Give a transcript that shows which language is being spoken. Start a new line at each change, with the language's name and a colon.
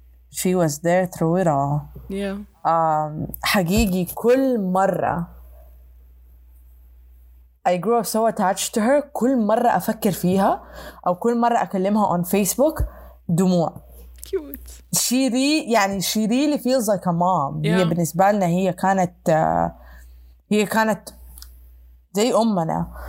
English: She was there through it all. Yeah.
Arabic: حقيقي كل مرة
English: I grew up so attached to her,
Arabic: كل مرة أفكر فيها أو كل مرة أكلمها on Facebook, دموع.
English: Cute. She really, يعني she really feels like a mom.
Arabic: Yeah. هي بالنسبة لنا هي كانت هي كانت زي أمنا.